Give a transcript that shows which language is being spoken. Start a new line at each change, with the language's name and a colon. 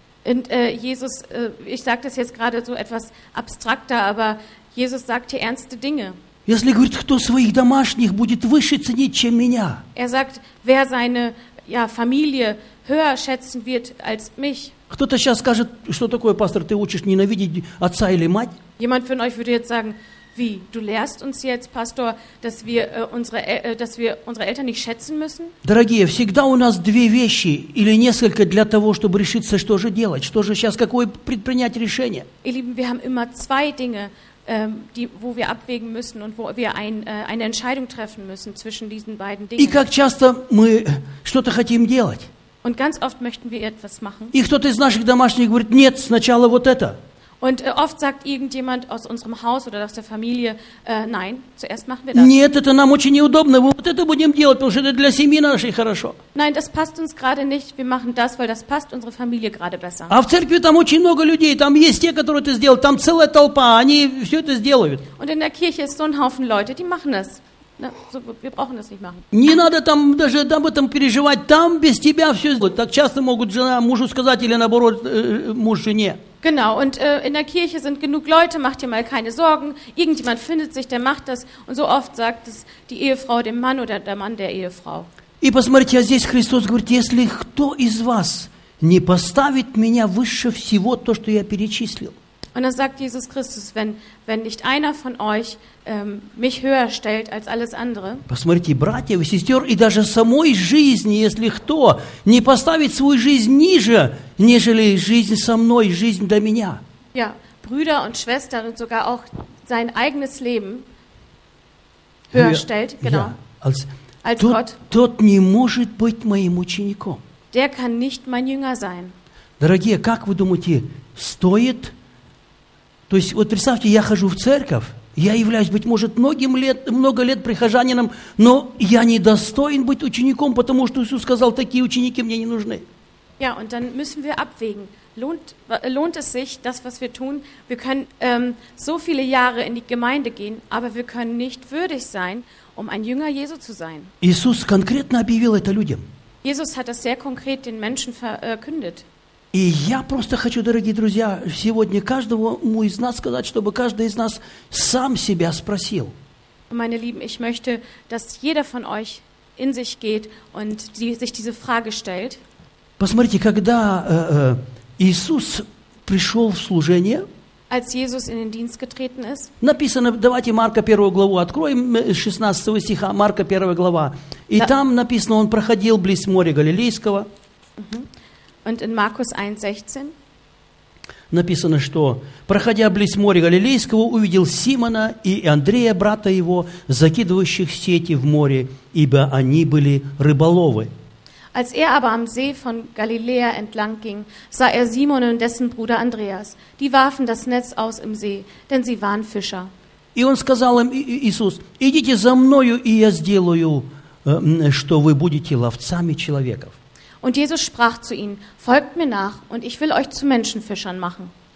German: Und Jesus, ich sage das jetzt gerade so etwas abstrakter, aber Jesus sagt hier ernste Dinge.
Russian: Если говорит, кто своих домашних будет выше ценить, чем меня.
German: Er sagt, wer seine ja, Familie höher schätzen wird als mich.
Russian: Кто-то сейчас скажет, что такое, пастор, ты учишь ненавидеть отца или мать?
German: Jemand von euch würde jetzt sagen, wie, du lehrst uns jetzt, Pastor, dass wir unsere Eltern nicht schätzen müssen?
Russian: Дорогие, всегда у нас две вещи или несколько для того, чтобы решиться, что же делать, что же сейчас, какое предпринять решение.
German: Ihr Lieben, wir haben immer zwei Dinge, wo wir abwägen müssen und wo wir eine Entscheidung treffen müssen zwischen diesen beiden Dingen.
Russian: И как часто мы что-то хотим делать?
German: Und ganz oft möchten wir etwas machen.
Russian: И кто-то из наших домашних говорит, нет, сначала вот это.
German: Und oft sagt irgendjemand aus unserem Haus oder aus der Familie, nein, zuerst machen wir das.
Russian: Нет, это нам очень неудобно, мы вот это будем делать, потому что это для семьи нашей хорошо.
German: Nein, das passt uns gerade nicht, wir machen das, weil das passt unsere Familie gerade besser.
Russian: А в церкви там очень много людей, там есть те, которые это сделают, там целая толпа, они все это сделают.
German: Und in der Kirche ist so ein Haufen Leute, die machen das. So, wir brauchen das nicht machen.
Russian: Не надо там даже об этом переживать, там без тебя все сделают. Так часто могут жена мужу сказать или наоборот муж жене.
German: Genau, und in der Kirche sind genug Leute, mach dir mal keine Sorgen, irgendjemand findet sich, der macht das, und so oft sagt es die Ehefrau dem Mann oder der Mann der Ehefrau.
Russian: И посмотрите, здесь Христос говорит, если кто из вас не поставит меня выше всего то, что я перечислил.
German: Und dann sagt Jesus Christus, wenn nicht einer von euch mich höher stellt als alles andere.
Russian: Посмотрите, братья и сестер, и даже самой жизни, если кто не поставит свою жизнь ниже, нежели жизнь со мной, жизнь для меня.
German: Ja, Brüder und Schwestern und sogar auch sein eigenes Leben höher stellt, genau, als Gott.
Russian: Тот не может быть моим учеником.
German: Der kann nicht mein Jünger sein.
Russian: Дорогие, как вы думаете, стоит? То есть, вот представьте, я хожу в церковь, я являюсь, быть может, много лет прихожанином, но я не достоин быть учеником, потому что Иисус сказал, такие ученики мне не нужны.
German: Ja, und dann müssen wir abwägen. Lohnt es sich, das, was wir tun? Wir können so viele Jahre in die Gemeinde gehen, aber wir können nicht würdig sein, um ein Jünger Jesu zu sein.
Russian: Иисус конкретно объявил это людям.
German: Jesus hat das sehr konkret den Menschen verkündet.
Russian: И я просто хочу, дорогие друзья, сегодня каждому из нас сказать, чтобы каждый из нас сам себя спросил.
German: Meine Lieben, ich möchte, dass jeder von euch in sich geht und sich diese Frage stellt.
Russian: Посмотрите, когда Иисус пришел в служение,
German: als Jesus in den Dienst getreten ist,
Russian: написано, давайте Марка 1 главу откроем, 16 стиха, Марка 1 глава. И там написано, он проходил близ моря Галилейского.
German: Und in Markus 1:16
Russian: написано, что проходя близ моря Галилейского, увидел Симона и Андрея, брата его, закидывающих сети в море, ибо они были рыболовы.
German: Als er aber am See von Galiläa entlang ging, sah er Simon und dessen Bruder Andreas, die warfen das Netz aus im See, denn sie waren Fischer.
Russian: И он сказал им, Иисус, идите за мною, и я сделаю, что вы будете ловцами человеков.
German: Und Jesus sprach zu ihnen, folgt mir nach und ich will euch zu Menschenfischern machen.